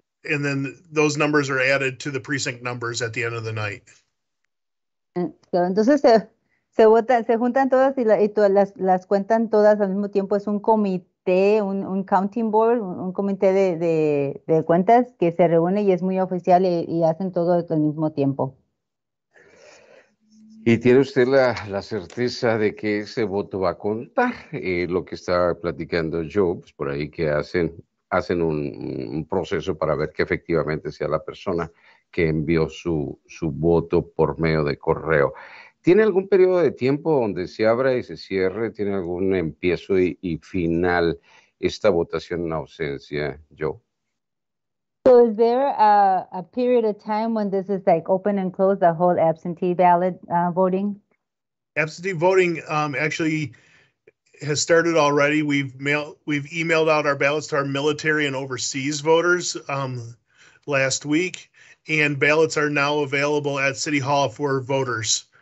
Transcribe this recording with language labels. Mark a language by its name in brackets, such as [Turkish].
[English] And then those numbers are added to the precinct numbers at the end of the night. [Spanish] So, entonces se juntan todas y las cuentan todas al mismo tiempo. Es un comité, un [English] counting board, [Spanish] un comité de cuentas que se reúne y es muy oficial y hacen todo al mismo tiempo. ¿Y tiene usted la certeza de que ese voto va a contar? Lo que estaba platicando yo, pues por ahí que hacen un proceso para ver que efectivamente sea la persona que envió su voto por medio de correo. ¿Tiene algún periodo de tiempo donde se abra y se cierre? ¿Tiene algún empiezo y final esta votación en ausencia, Joe? [English] So is there a period of time when this is like open and closed, the whole absentee ballot voting? Absentee voting actually has started already. We've emailed out our ballots to our military and overseas voters last week, and ballots are now available at City Hall for voters.